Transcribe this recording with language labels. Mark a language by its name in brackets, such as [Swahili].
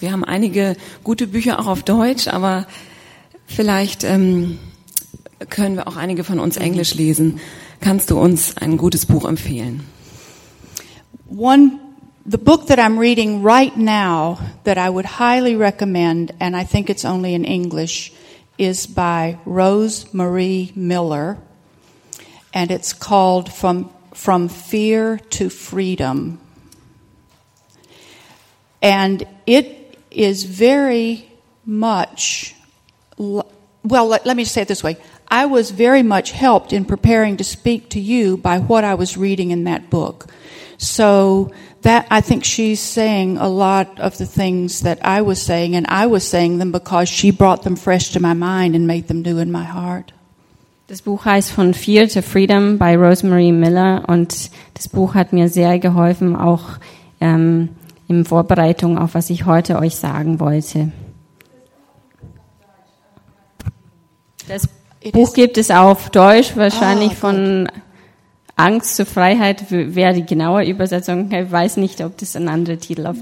[German] Wir haben einige gute Bücher auch auf Deutsch, aber vielleicht können wir auch einige von uns Englisch lesen. Kannst du uns ein gutes Buch empfehlen? [English] The book that I'm reading right now that I would highly recommend, and I think it's only in English, is by Rose Marie Miller, and it's called From Fear to Freedom. And it is very much, let me say it this way. I was very much helped in preparing to speak to you by what I was reading in that book. So that I think she's saying a lot of the things that I was saying, and I was saying them because she brought them fresh to my mind and made them new in my heart. [German] Das Buch heißt Von Fear to Freedom by Rosemary Miller, und das Buch hat mir sehr geholfen, auch in Vorbereitung auf was ich heute euch sagen wollte. Das Buch gibt es auf Deutsch wahrscheinlich von Angst zur Freiheit, wer die genaue Übersetzung, ich weiß nicht, ob das ein anderer Titel auf.